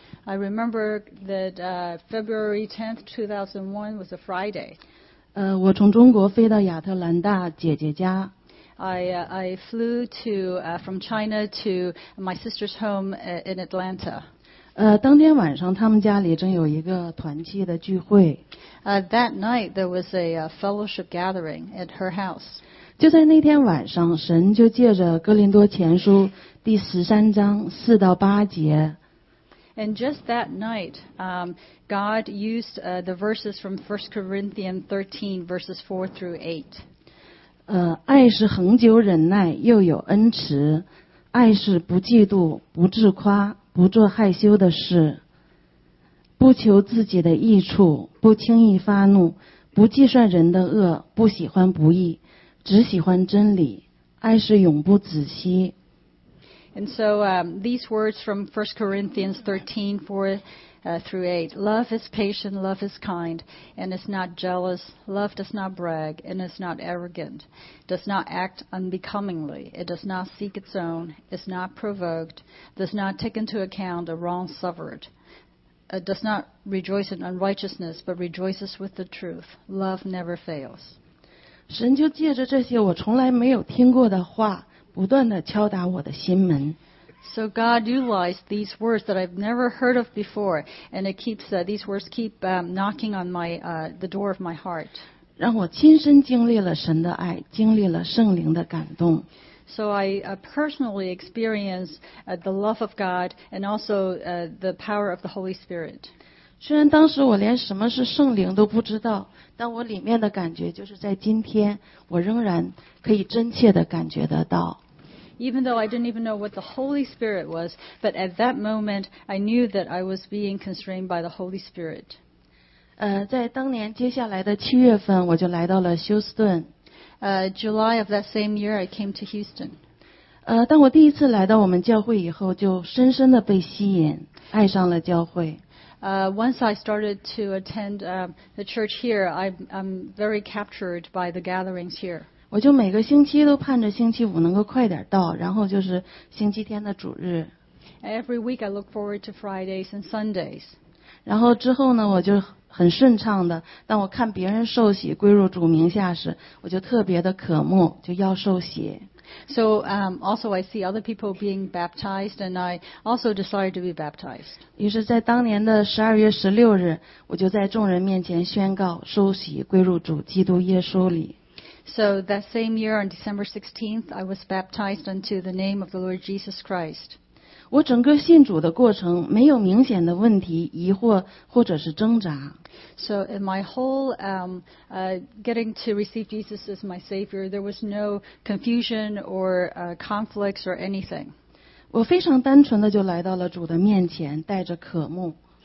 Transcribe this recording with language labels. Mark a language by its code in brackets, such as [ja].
[en] I remember that February 10th, 2001 was a Friday [zh] 我从中国飞到亚特兰大姐姐家 [en] I flew to, from China to my sister's home in Atlanta [zh] 当天晚上他们家里正有一个团契的聚会 [en] That night there was a fellowship gathering at her house [zh] 就在那天晚上神就借着哥林多前书第13章4到8节 [en] And just that night, God used the verses from 1 Corinthians 13 verses 4 through 8. [zh] 爱是恒久忍耐又有恩慈爱是不嫉妒不自夸不做害羞的事不求自己的益处不轻易发怒不计算人的恶不喜欢不义只喜欢真理爱是永不止息 [en] And so these words from 1 Corinthians 13, 4 through 8 Love is patient, love is kind and is not jealous Love does not brag and is not arrogant Does not act unbecomingly It does not seek its own Is not provoked Does not take into account a wrong suffered Does not rejoice in unrighteousness But rejoices with the truth Love never fails [zh] 神就借着这些我从来没有听过的话不断地敲打我的心门 [en] So God utilized these words that I've never heard of before and it keeps, these words keep knocking on my, the door of my heart [zh] 让我亲身经历了神的爱经历了圣灵的感动 [en] So I personally experienced the love of God and also the power of the Holy Spirit [zh] 虽然当时我连什么是圣灵都不知道但我里面的感觉就是在今天我仍然可以真切地感觉得到 [en] Even though I didn't even know what the Holy Spirit was but at that moment I knew that I was being constrained by the Holy Spirit [zh] 在当年接下来的七月份我就来到了休斯顿 [en] July of that same year I came to Houston [zh] 当我第一次来到我们教会以后就深深地被吸引爱上了教会 [en] Once I started to attend the church here, I'm very captured by the gatherings here. [zh] 我就每个星期都盼着星期五能够快点到，然后就是星期天的主日。 [en] Every week I look forward to Fridays and Sundays. [zh] 然后之后呢，我就很顺畅的，当我看别人受洗归入主名下时，我就特别的渴慕，就要受洗。 [en] So also I see other people being baptized and I also desire to be baptized. [zh] 于是在当年的12月16日我就在众人面前宣告受洗归入主基督耶稣里。 [en] So that same year on December 16th, I was baptized unto the name of the Lord Jesus Christ. [zh] 我整个信主的过程没有明显的问题、疑惑或者是挣扎。 [en] So in my whole getting to receive Jesus as my Savior, there was no confusion or conflicts or anything. [zh] 我非常单纯的就来到了主的面前，带着渴慕。